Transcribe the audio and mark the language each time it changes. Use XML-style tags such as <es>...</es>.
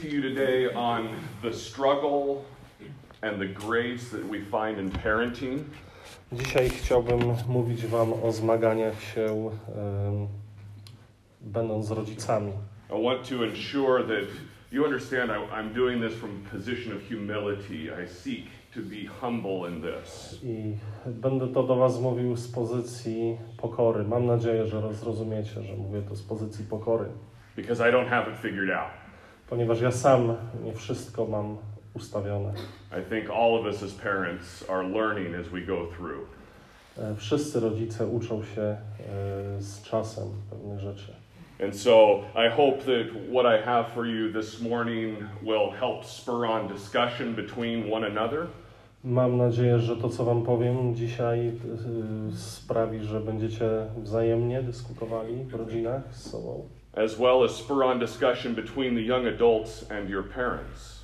<en>To you today on the struggle and the grace that we find in parenting.</en> <pl>Dzisiaj chciałbym mówić wam o zmaganiach się będąc rodzicami.</pl> <en>I want to ensure that you understand I'm doing this from a position of humility. I seek to be humble in this.</en> <pl>I będę to do was mówił z pozycji pokory. Mam nadzieję, że zrozumiecie, że mówię to z pozycji pokory.</pl> <en>Because I don't have it figured out.</en> <pl>Ponieważ ja sam nie wszystko mam ustawione.</pl> <en>I think all of us as parents are learning as we go through.</en> <pl>Wszyscy rodzice uczą się z czasem pewne rzeczy.</pl> <en>And so I hope that what I have for you this morning will help spur on discussion between one another.</en> <pl>Mam nadzieję, że to, co wam powiem dzisiaj, sprawi, że będziecie wzajemnie dyskutowali w rodzinach z sobą.</pl> <en>As well as spur on discussion between the young adults and your parents.</en>